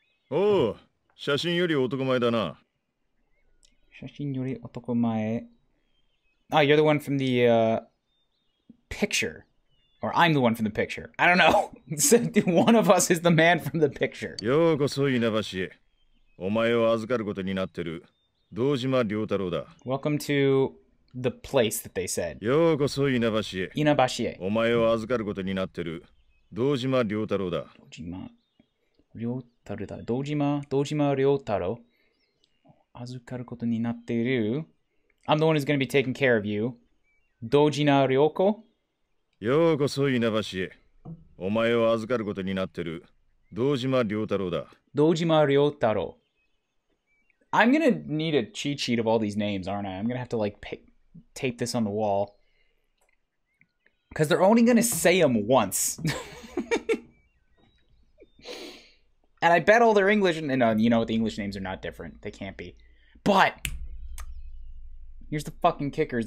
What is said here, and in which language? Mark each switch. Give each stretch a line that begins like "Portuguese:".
Japanese: Oh, 写真より男前だな. 写真より男前.
English: Oh, you're the one from the picture. Or I'm the one from the picture. I don't know. One of us is the man from the picture.
Japanese: ようこそ 稲橋へ. お前を預かることになってる 堂島良太郎だ.
English: Welcome to the place that they said.
Japanese: ようこそ 稲橋へ. 稲橋へ. お前を預かることになってる 堂島良太郎だ. 堂島良太郎だ.堂島良太郎. 預かることになっている.
English: I'm the one who's going to be taking care of you.
Japanese: 堂島良子. ようこそ 稲橋へ. お前を預かることになってる 堂島良太郎だ. 堂島良太郎.
English: I'm going to need a cheat sheet of all these names, aren't I? I'm going to have to, like, tape this on the wall. Because they're only going to say them once. And I bet all their English... And, you know what? The English names are not different. They can't be. But! Here's the fucking kickers.